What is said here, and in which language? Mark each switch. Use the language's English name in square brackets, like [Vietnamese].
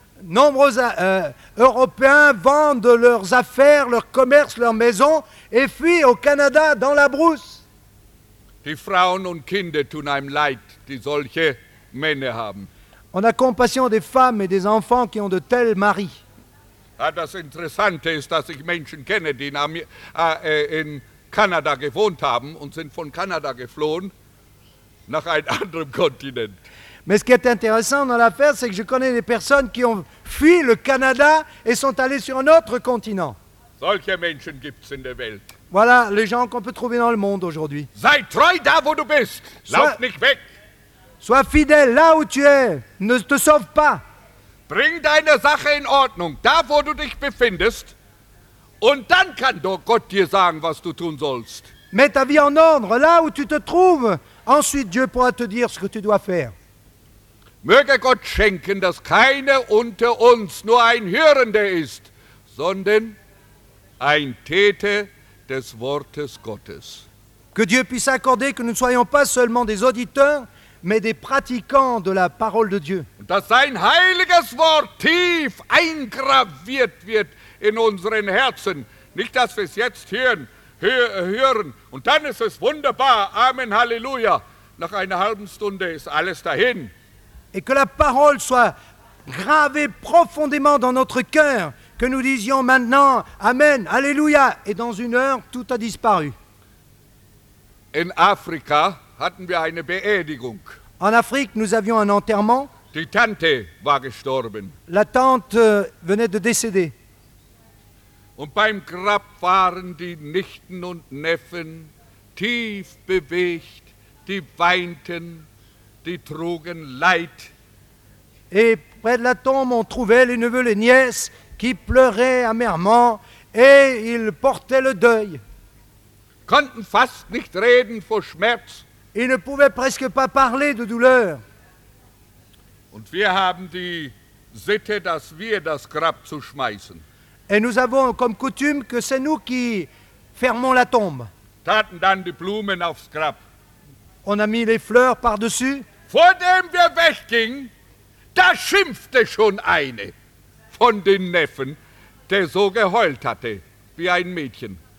[French] Nombreux Européens vendent leurs affaires, leurs commerces, leurs maisons et fuient au Canada dans la brousse. [German] Die Frauen und Kinder tun einem leid, die solche Männer haben. [French] On a compassion des femmes et des enfants qui ont de tels maris. [German] Ah, das Interessante ist, dass ich Menschen kenne, die in Kanada gewohnt haben und sind von Kanada geflohen nach einem anderen Kontinent. [French] Mais ce qui est intéressant dans l'affaire, c'est que je connais des personnes qui ont fui le Canada et sont allées sur un autre continent. [German] Solche Menschen gibt's in der Welt. [French] Voilà les gens qu'on peut trouver dans le monde aujourd'hui. [German] Sei treu da, wo du bist. Lauf nicht weg. [French] Sois fidèle là où tu es. Ne te sauve pas. [German] Bring deine Sache in Ordnung, da wo du dich befindest. Und dann kann doch Gott dir sagen, was du tun sollst. [French] Mets ta vie en ordre là où tu te trouves. Ensuite, Dieu pourra te dire ce que tu dois faire. [German] Möge Gott schenken, dass keiner unter uns nur ein Hörender ist, sondern ein Täter des Wortes Gottes. [French] Que Dieu puisse accorder que nous ne soyons pas seulement des auditeurs, mais des pratiquants de la parole de Dieu. [German] Und dass sein heiliges Wort tief eingraviert wird in unseren Herzen. Nicht, dass wir es jetzt hören. Und dann ist es wunderbar. Amen, Halleluja. Nach einer halben Stunde ist alles dahin. [French] Et que la parole soit gravée profondément dans notre cœur, que nous disions maintenant Amen, Alléluia, et dans une heure, tout a disparu. [German] In Afrika hatten wir eine Beerdigung. [French] En Afrique, nous avions un enterrement. [German] Die Tante war gestorben. [French] La tante venait de décéder. [German] Und beim Grab waren die Nichten und Neffen tief bewegt, die weinten. Die trugen Leid. [French] Et près de la tombe, on trouvait les neveux, les nièces, qui pleuraient amèrement, et ils portaient le deuil. [German] Konnten fast nicht reden vor Schmerz. [French] Ils ne pouvaient presque pas parler de douleur. [German] Und wir haben die Sitte, dass wir das Grab zu schmeißen. [French] Et nous avons comme coutume que c'est nous qui fermons la tombe. [German] Taten dann die Blumen aufs Grab. [French] On a mis les fleurs par-dessus. [German] Vor dem wir weggingen, da schimpfte schon eine von den Neffen, der so geheult hatte, wie ein Mädchen.